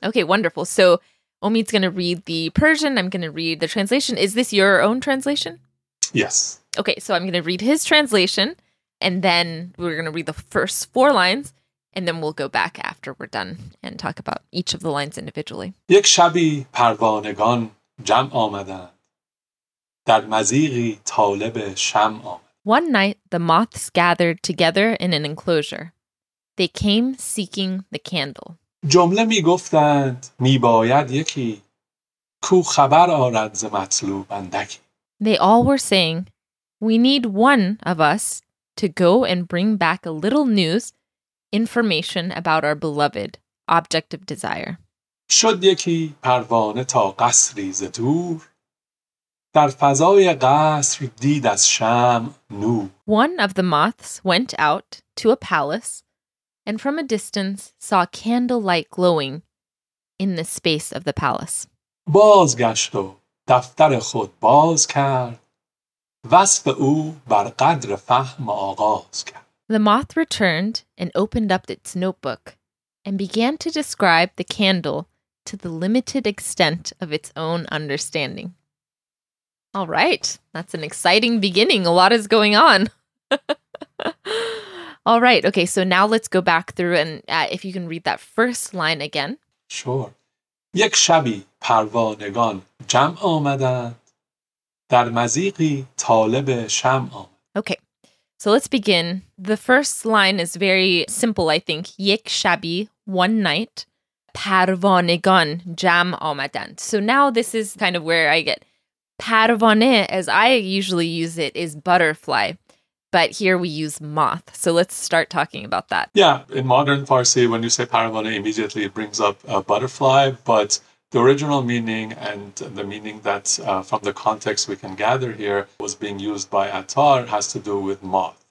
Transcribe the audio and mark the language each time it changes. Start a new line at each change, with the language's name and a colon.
English: Okay, wonderful. So Omid's going to read the Persian. I'm going to read the translation. Is this your own translation? Yes. Okay, so I'm going to read his translation, and then we're going to read the first 4 lines, and then we'll go back after we're done and talk about each of the lines individually.
Persian: یک شبی پروانگان جمع آمدن. در مزیقی طالب شمع آمد.
English: One night, the moths gathered together in an enclosure. They came seeking the candle.
Persian: جمله می گفتند می باید یکی کو خبر آرد ز مطلوب اندکی.
English: They all were saying, we need one of us to go and bring back a little news, information about our beloved object of desire.
Persian: شد یکی پروانه تا قصری ز دور. در فضای قصر دید از شمع نور.
English: One of the moths went out to a palace and from a distance saw candlelight glowing in the space of the palace.
Persian: بازگشت و دفتر خود باز کرد. وصف او بر قدر فهم آغاز کرد.
English: The moth returned and opened up its notebook and began to describe the candle to the limited extent of its own understanding. All right. That's an exciting beginning. A lot is going on. All right. Okay. So now let's go back through and if you can read that first line again. Sure.
Persian: یک شبی پروانگان جمع آمدند در مزیقی طالب شمع آمد.
English: Okay. So let's begin. The first line is very simple, I think.
Persian: یک شبی,
English: one night,
Persian: پروانگان جمع آمدند.
English: So now this is kind of where I get پروانه, as I usually use it, is butterfly. But here we use moth. So let's start talking about that. Yeah, in modern Farsi, when you say paravane, immediately it brings up a butterfly. But the original meaning and the meaning that from the context we can gather here was being used by Attar has to do with moth.